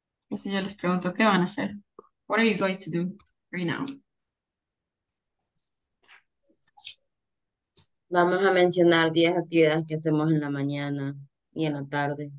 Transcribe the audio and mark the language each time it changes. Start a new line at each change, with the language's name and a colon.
Spanish: Eso yo les pregunto, ¿qué van a hacer?
English: What are you going to do right now?
Spanish: Vamos a mencionar 10 actividades que hacemos en la mañana y en la tarde.